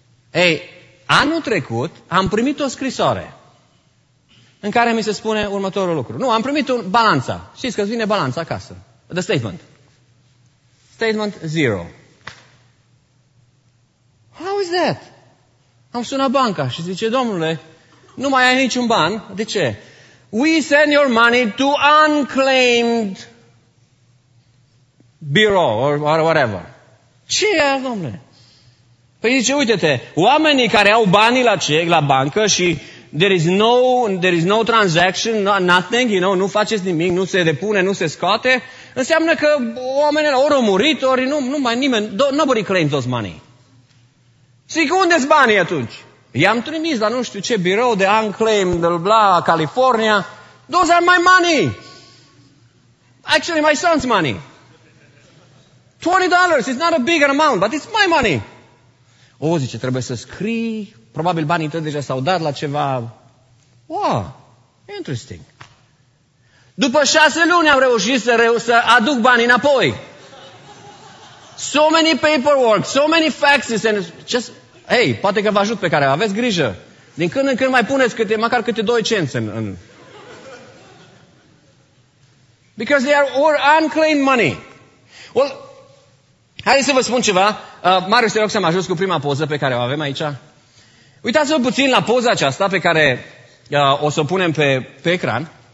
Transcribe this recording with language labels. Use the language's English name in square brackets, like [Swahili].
[Romanian] Ei, anul trecut am primit o scrisoare în care mi se spune următorul lucru. Nu, am primit balanța. Știți că vine balanța acasă. [English] The statement. Statement zero. How is that? [Romanian] Am sunat banca și zice, domnule, nu mai ai niciun ban. De ce? [English] We send your money to unclaimed bureau or whatever. [Romanian] Ce e, domnule? Păi zice, uite-te, oamenii care au banii la bancă și [English] there is no transaction, nothing, you know, [Romanian] nu faceți nimic, nu se depune, nu se scoate, înseamnă că oamenii ori au murit, ori nu mai nimeni, [English] nobody claims those money. [Romanian] Zic, unde-s banii atunci? I-am trimis la nu știu ce birou de unclaimed, bla, California. [English] Those are my money. Actually, my son's money. $20 is not a big amount, but it's my money. [Romanian] O, zice, trebuie să scrii. Probabil banii tăi deja s-au dat la ceva. [English] Wow, interesting. [Romanian] După 6 luni am reușit să aduc banii înapoi. [English] So many paperwork, so many faxes and just... [Romanian] Hey, poate că vă ajut pe care aveți grijă. Din când în când mai puneți câte, măcar câte 2 cenți în... [English] Because they are all unclaimed money. Well, [Romanian] haideți să vă spun ceva. Marius, te rog să mă ajut cu prima poză pe care o avem aici. Uitați-vă puțin la poza aceasta pe care o să o punem pe ecran.